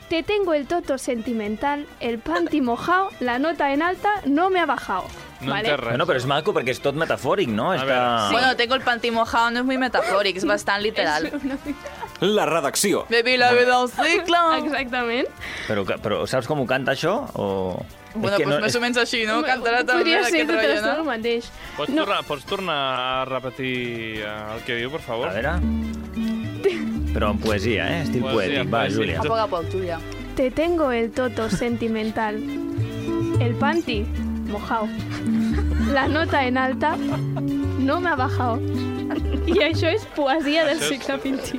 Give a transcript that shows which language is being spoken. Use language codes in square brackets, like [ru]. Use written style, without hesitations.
[es] te tengo el toto sentimental, el panty mojao, la nota en alta no me ha bajado. [ca] No vale. Entes res. Bueno, però és maco perquè és tot metafòric, no? Està... Sí. Bueno, [es] tengo el panty mojao, [ca] no és [es] muy [ca] metafòric, és bastant literal. La redacció. Baby, la vida al cicle. Exactament. Però saps com ho canta això? O... Bueno, doncs pues no... més o menys així, no? Cantarà també podria aquest ser, rotllo, no? El mateix. Pots tornar a repetir el que diu, per favor? A veure. Però en poesia, eh? Estil poesia, poètic. Va, Júlia. A poc, Júlia. [es] Te tengo el toto sentimental. El panty mojao. La nota en alta no me ha bajado. [ca] I això és poesia del segle XXI.